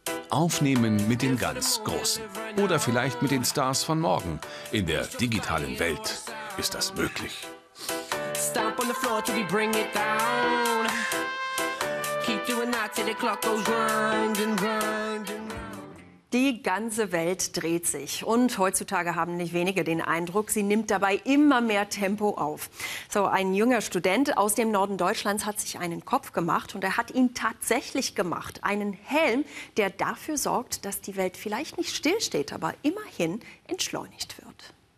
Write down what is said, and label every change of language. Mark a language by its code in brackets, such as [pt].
[de] Aufnehmen mit den ganz Großen. Oder vielleicht mit den Stars von morgen. In der digitalen Welt ist das möglich. [en] Stomp on the floor till we bring it down. Keep doing that till the clock goes round and round. [de] Die ganze Welt dreht sich und heutzutage haben nicht wenige den Eindruck, sie nimmt dabei immer mehr Tempo auf. So, ein junger Student aus dem Norden Deutschlands hat sich einen Kopf gemacht und er hat ihn tatsächlich gemacht. Einen Helm, der dafür sorgt, dass die Welt vielleicht nicht stillsteht, aber immerhin entschleunigt wird.